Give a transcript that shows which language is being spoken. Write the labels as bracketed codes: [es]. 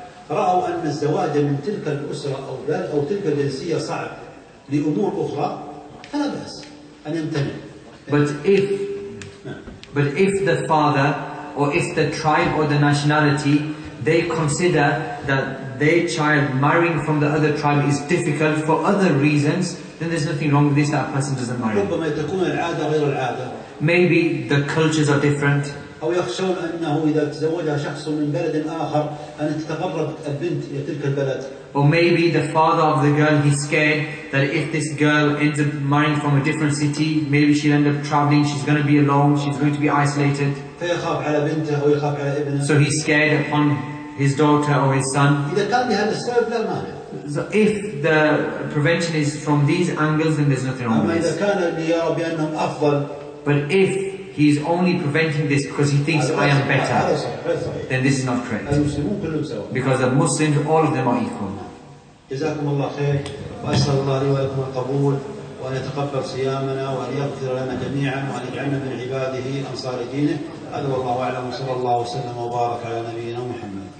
[ar] رأوا أن الزواج من تلك الأسرة أو ذلك أو تلك الجنسية صعب لأمور أخرى فلا بأس أن يمتنع. [en] But if the father or if the tribe or the nationality they consider that their child marrying from the other tribe is difficult for other reasons, then there's nothing wrong with this. That person doesn't marry. [ar] ربما تكون العادة غير العادة. [en] Maybe the cultures are different. [ar] أو يخشون أنه إذا تزوجها شخص من بلد آخر أن تتغرب البنت إلى تلك البلد. [en] Or maybe the father of the girl, he's scared that if this girl ends up marrying from a different city, maybe she'll end up traveling, she's going to be alone, she's going to be isolated. [ar] فيخاف على بنته أو يخاف على ابنه. [en] So he's scared upon his daughter or his son. [ar] إذا كان بهذا السبب لا مانع. [en] So if the prevention is from these angles, then there's nothing wrong with this. [ar] أما إذا كان ليرى بأنهم أفضل. [en] But if he is only preventing this because he thinks I am better, then this is not correct. Because the Muslims, all of them are equal. [ar] جزاكم الله خير وأسأل الله لي ولكم القبول وأن يتقبل صيامنا وأن يغفر لنا جميعا وأن يجعلنا من عباده أنصار دينه. هذا والله أعلم وصلى الله وسلم وبارك على نبينا محمد.